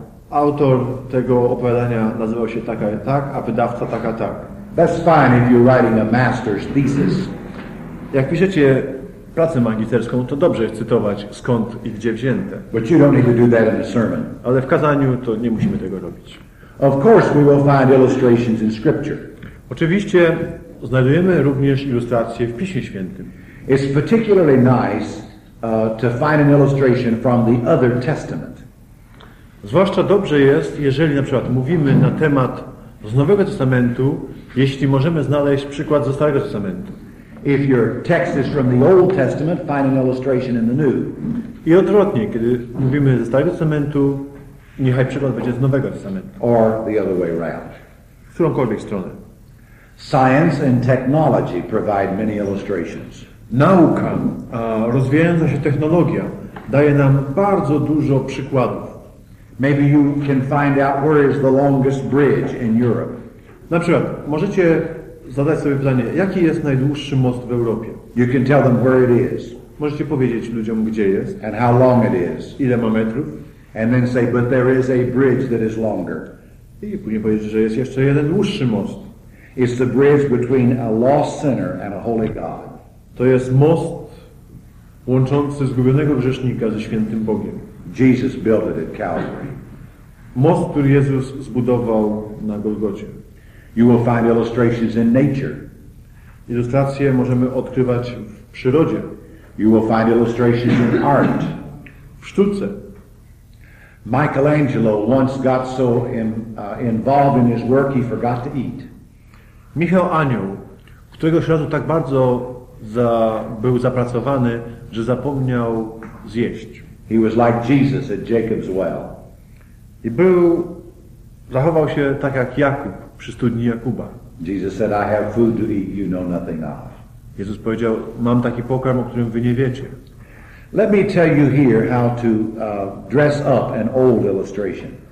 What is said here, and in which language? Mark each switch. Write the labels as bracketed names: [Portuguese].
[Polish] Autor tego opowiadania nazywał się taka i tak, a wydawca taka i tak. [English] That's fine if you're writing a master's thesis. [Polish] Jak piszecie pracę magisterską, to dobrze jest cytować skąd i gdzie wzięte. [English] But you don't need to do that in a sermon. [Polish] Ale w kazaniu to nie musimy tego robić. [English] Of course we will find illustrations in scripture. [Polish] Oczywiście znajdujemy również ilustracje w Piśmie Świętym. [English] It's particularly nice to find an illustration from the Other Testament. [Polish] Zwłaszcza dobrze jest, jeżeli na przykład mówimy na temat z Nowego Testamentu, jeśli możemy znaleźć przykład ze Starego Testamentu. [English] If your text is from the Old Testament, find an illustration in the New. [Polish] I odwrotnie, kiedy mówimy ze Starego Testamentu, niechaj przykład będzie z Nowego Testamentu. [English] Or the other way around. [Polish] W którąkolwiek stronę. [English] Science and technology provide many illustrations. [Polish] Nauka, rozwijająca się technologia, daje nam bardzo dużo przykładów. [English] Maybe you can find out where is the longest bridge in Europe. [Polish] Na przykład, możecie zadać sobie pytanie, jaki jest najdłuższy most w Europie? [English] You can tell them where it is. [Polish] Możecie powiedzieć ludziom, gdzie jest. [English] And how long it is. [Polish] Ile ma metrów. [English] And then say, but there is a bridge that is longer. [Polish] I później powiedzieć, że jest jeszcze jeden dłuższy most. [English] It's the bridge between a lost sinner and a holy God. [Polish] To jest most łączący zgubionego grzesznika ze świętym Bogiem. [English] Jesus built it at Calvary. [Polish] Most, który Jezus zbudował na Golgocie. [English] You will find illustrations in nature. [Polish] Ilustracje możemy odkrywać w przyrodzie. [English] You will find illustrations in art. [Polish] W sztuce. [English] Michelangelo once got so involved in his work he forgot to eat. [Polish] Michał Anioł, któregoś razu tak bardzo był zapracowany, że zapomniał zjeść. [English] He was like Jesus at Jacob's well. [Polish] I był, zachował się tak jak Jakub przy studni Jakuba. [English] Jesus said, I have food to eat you know nothing of. [Polish] Jezus powiedział, mam taki pokarm, o którym wy nie wiecie. [English] Let me tell you here how to dress up an old illustration.